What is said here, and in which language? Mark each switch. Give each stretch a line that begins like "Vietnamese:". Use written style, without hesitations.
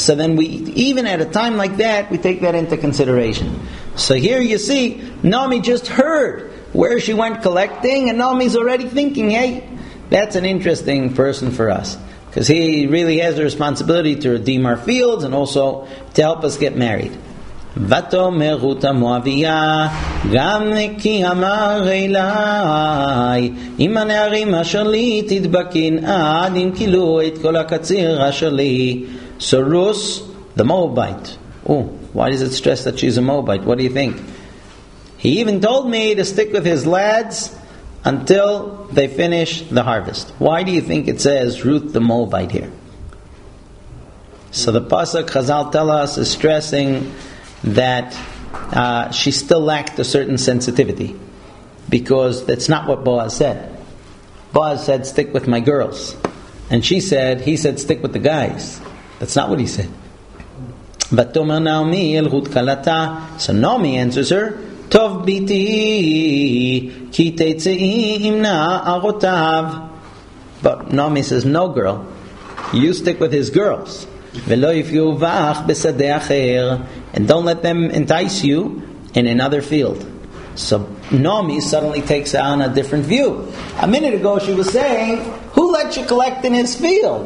English: So then we, even at a time like that, we take that into consideration. So here you see, Naomi just heard where she went collecting, and Naomi's already thinking, hey, that's an interesting person for us. Because he really has the responsibility to redeem our fields and also to help us get married.
Hebrew: ותאמר רות המואביה גם כי אמר אלי אם הנערים אשר לי תדבקין עד אם כילו את כל הקציר אשר לי.
English: So Rus, the Moabite. Oh, why does it stress that she's a Moabite? What do you think? He even told me to stick with his lads until they finish the harvest. Why do you think it says Ruth the Moabite here? So the Pasuk Chazal tell us is stressing that she still lacked a certain sensitivity. Because that's not what Boaz said. Boaz said, stick with my girls. And she said, he said, stick with the guys. That's not what he said.
Hebrew: ותאמר נעמי אל רות כלתה.
English: So Naomi answers her,
Hebrew: טוב ביתי, כי תצאי עם נערותיו.
English: But Naomi says, no girl, you stick with his girls.
Hebrew: ולא יפגעו בך בשדה אחר.
English: And don't let them entice you in another field. So Naomi suddenly takes on a different view. A minute ago she was saying, who let you collect in his field?